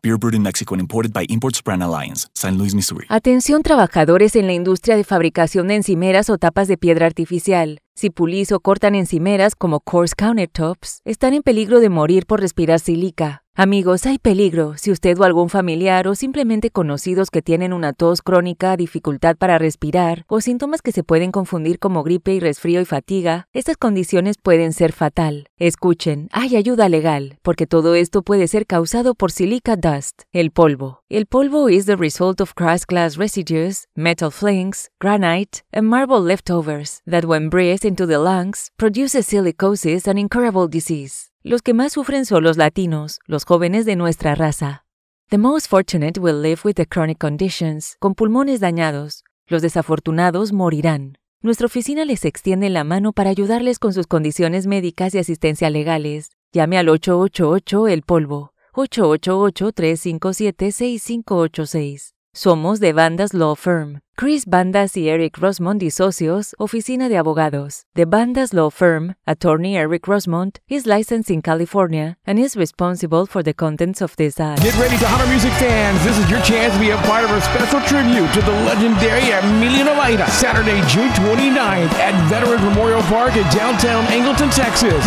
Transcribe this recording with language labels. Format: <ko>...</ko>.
<en>Beer brewed in Mexico and imported by Imports Brand Alliance. San Luis, Missouri.</en> <es>Atención, trabajadores en la industria de fabricación de encimeras o tapas de piedra artificial. Si pulís o cortan encimeras como coarse countertops, están en peligro de morir por respirar sílica. Amigos, hay peligro. Si usted o algún familiar o simplemente conocidos que tienen una tos crónica, dificultad para respirar o síntomas que se pueden confundir como gripe y resfrío y fatiga, estas condiciones pueden ser fatal. Escuchen, hay ayuda legal, porque todo esto puede ser causado por silica dust, el polvo. El polvo</es> <en>is the result of crushed glass residues, metal flakes, granite, and marble leftovers that when breathed into the lungs, produces silicosis and incurable disease.</en> <es>Los que más sufren son los latinos, los jóvenes de nuestra raza.</es> <en>The most fortunate will live with the chronic conditions,</en> <es>con pulmones dañados. Los desafortunados morirán. Nuestra oficina les extiende la mano para ayudarles con sus condiciones médicas y asistencia legales. Llame al 888-EL-POLVO, 888-357-6586. Somos de Bandas Law Firm. Chris Bandas y Eric Rosmond y socios, oficina de abogados.</es> <en>The Bandas Law Firm, attorney Eric Rosmond, is licensed in California and is responsible for the contents of this ad. Get ready, Tejano music fans. This is your chance to be a part of a special tribute to the legendary Emilio Navaira. Saturday, June 29th at Veterans Memorial Park in downtown Angleton, Texas.</en>